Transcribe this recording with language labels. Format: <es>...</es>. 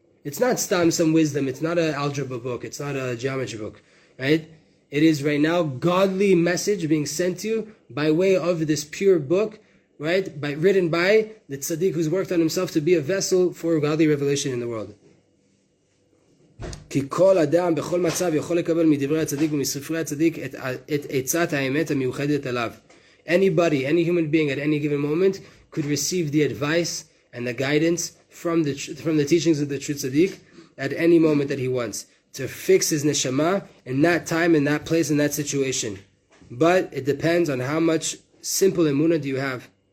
<en>It's not stam, some wisdom, it's not an algebra book, it's not a geometry book, right? It is right now godly message being sent to you by way of this pure book, right? Written by the tzaddik who's worked on himself to be a vessel for godly revelation in the world.</en> <he>כי כל אדם בכל מצב יכול לקבל מדברי הצדיק ומספרי הצדיק את עצת האמת המיוחדת עליו.</he> <en>Anybody, any human being at any given moment could receive the advice and the guidance from the teachings of the true tzaddik at any moment that he wants, to fix his neshama in that time, in that place, in that situation. But it depends on how much simple emunah do you have.</en>